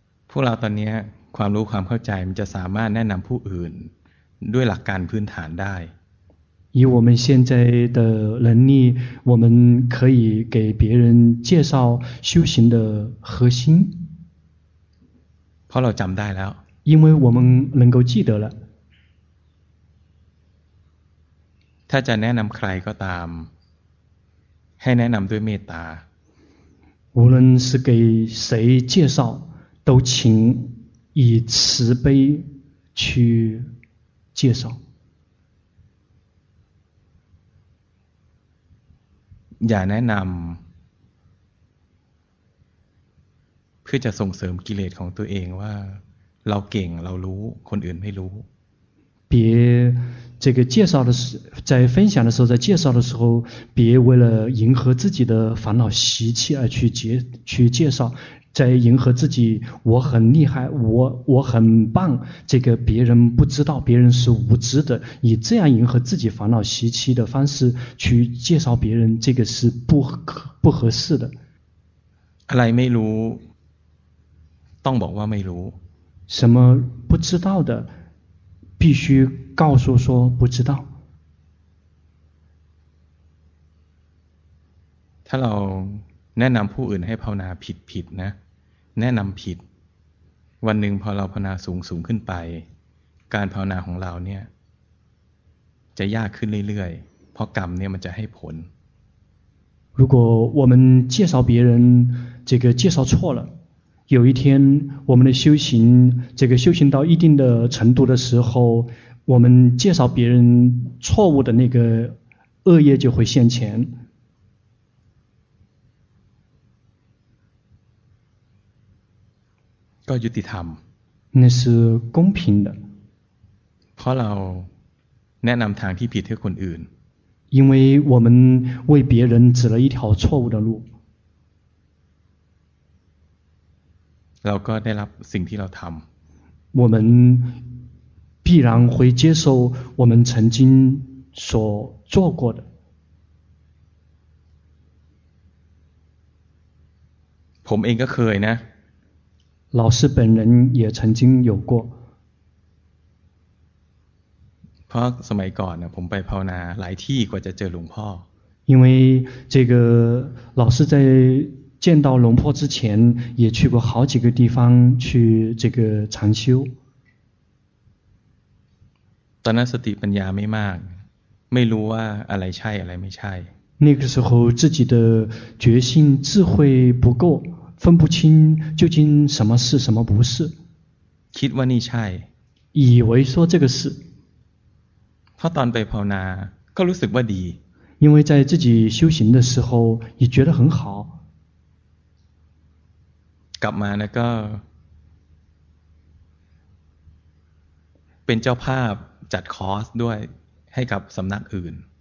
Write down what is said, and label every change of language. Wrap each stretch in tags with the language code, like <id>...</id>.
<th>พวกเราตอนนี้ความรู้ความเข้าใจมันจะสามารถแนะนำผู้อื่นด้วยหลักการพื้นฐานได้</th> <zh>以我们现在的能力我们可以给别人介绍修行的核心</zh> <th>เพราะเราจำได้แล้ว</th> <zh>因为我们能够记得了</zh> <th>ถ้าจะแนะนำใครก็ตาม ให้แนะนำด้วยเมตตา</th> <zh>无论是给谁介绍都请以慈悲去介绍</zh> <th>อย่าแนะนำเพื่อจะส่งเสริมกิเลสของตัวเองว่าเราเก่งเรารู้คนอื่นไม่รู้</th> <zh>别这个介绍的时在分享的时候在介绍的时候别为了迎合自己的烦恼习气而去介绍在迎合自己我很厉害我很棒这个别人不知道别人是无知的以这样迎合自己烦恼习气的方式去介绍别人这个是不合适的</zh> <th>อะไรไม่รู้ต้องบอกว่าไม่รู้</th> <zh>什么不知道的必须告诉说不知道</zh> <th>ถ้าเราแนะนำผู้อื่นให้ภาวนาผิดๆนะแนะนำผิดวันหนึ่งพอเราภาวนาสูงสูงขึ้นไปการภาวนาของเราเนี่ยจะยากขึ้นเรื่อยๆเพราะกรรมเนี่ยมันจะให้ผล</th> <zh>如果我们介绍别人这个介绍错了有一天我们的修行这个修行到一定的程度的时候我们介绍别人错误的那个恶业就会现前</zh> <th>ก็ยุติธรรม</th> <zh>那是公平的</zh> <th>เพราะเราแนะนำทางที่ผิดให้คนอื่น</th> <zh>因为我们为别人指了一条错误的路</zh> <th>เราก็ได้รับสิ่งที่เราทำ</th> <zh>我们必然会接受我们曾经所做过的</zh> <th>ผมเองก็เคยนะ</th> <zh>老师本人也曾经有过</zh> <th>เพราะสมัยก่อนนะผมไปภาวนาหลายที่กว่าจะเจอหลวงพ่อ</th> <zh>因为这个老师在见到龙坡之前也去过好几个地方去这个禅修</zh> <th>ตอนนั้นสติปัญญาไม่มากไม่รู้ว่าอะไรใช่อะไรไม่ใช่</th> <zh>那个时候自己的觉性智慧不够分不清究竟什么是什么不是</zh> <th>คิดว่านี่ใช่</th> <zh>以为说这个是</zh> <th>เพราะตอนไปภาวนาก็รู้สึกว่าดี</th> <zh>因为在自己修行的时候也觉得很好</zh> <th>กลับมานะก็เป็นเจ้าภาพจัดคอร์สด้วยให้กับสำนักอื่น</th>